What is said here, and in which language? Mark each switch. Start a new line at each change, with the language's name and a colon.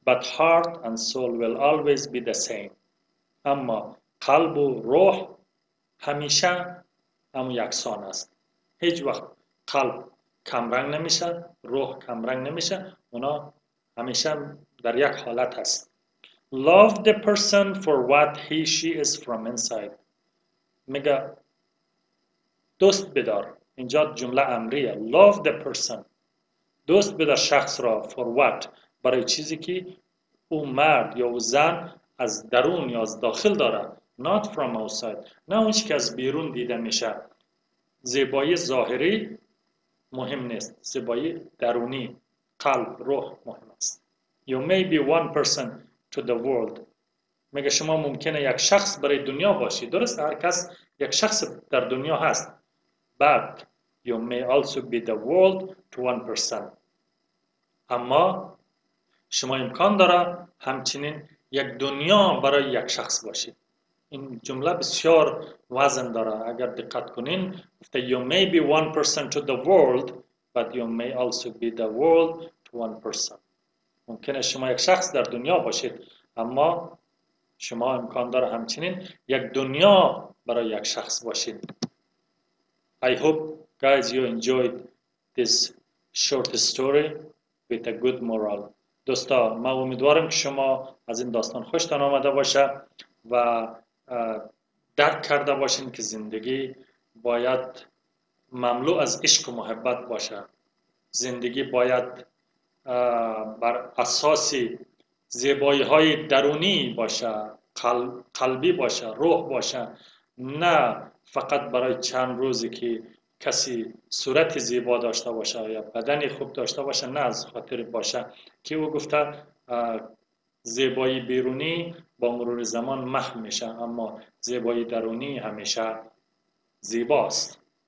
English: But heart and soul will always be the same.
Persian: اما قلب و روح همیشه هم یکسان است. هیچ وقت قلب کمرنگ نمیشه، روح کمرنگ نمیشه. اونا همیشه در یک حالت هست.
English: Love the person for what he she is from inside.
Persian: میگه دوست بدار. اینجا جمله امریه.
English: Love the person.
Persian: دوست بدار شخص را.
English: For what؟
Persian: برای چیزی که او مرد یا او زن از درون یا از داخل داره.
English: Not from outside.
Persian: نه اون چی که از بیرون دیده میشه. زیبایی ظاهری مهم نیست. زیبایی درونی، قلب، روح مهم است.
English: You may be one person to the world.
Persian: میگه شما ممکنه یک شخص برای دنیا باشی. درست هر کس یک شخص در دنیا هست.
English: But you may also be the world to one person.
Persian: اما شما امکان داره همچنین یک دنیا برای یک شخص باشی. این جمله بسیار وزن داره. اگر دقت کنین گفته
English: you may be one person to the world but you may also be the world to one person.
Persian: ممکنه شما یک شخص در دنیا باشید اما شما امکان داره همچنین یک دنیا برای یک شخص باشید.
English: I hope guys you enjoyed this short story with a good moral.
Persian: دوستا من امیدوارم که شما از این داستان خوشتان آمده باشه و درک کرده باشین که زندگی باید مملو از عشق و محبت باشه. زندگی باید بر اساس زیبایی های درونی باشه، قلبی باشه، روح باشه، نه فقط برای چند روزی که کسی صورت زیبا داشته باشه یا بدن خوب داشته باشه، نه از خاطر باشه که او گفته زیبایی بیرونی با مرور زمان محو میشه اما زیبایی درونی همیشه زیباست.